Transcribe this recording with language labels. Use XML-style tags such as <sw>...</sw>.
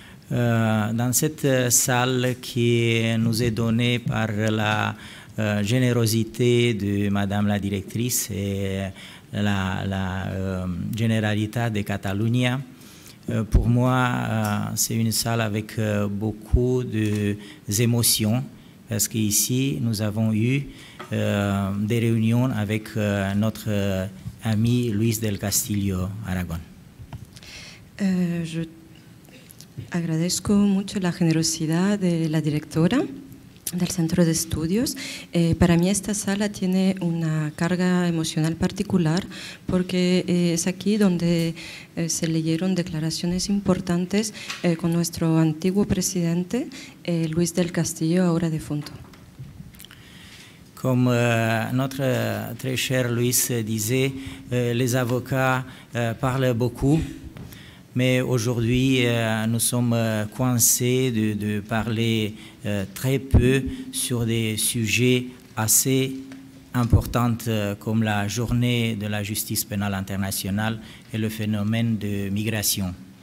<fr>Dans cette salle qui nous est donnée par la générosité de Madame la directrice et la Generalitat de Catalunya. Pour moi, c'est une salle avec beaucoup d'émotions parce qu'ici, nous avons eu des réunions avec notre ami Luis del Castillo Aragón. Je</fr> <es>agradezco mucho la generosidad de la directora del centro de estudios. Para mí esta sala tiene una carga emocional particular porque es aquí donde se leyeron declaraciones importantes con nuestro antiguo presidente, Luis del Castillo, ahora defunto.</es> <fr>Comme notre très cher Luis disait, les avocats parlent beaucoup. Mais aujourd'hui, nous sommes coincés de parler très peu sur des sujets assez importants comme la journée de la justice pénale internationale et le phénomène de migration.</fr>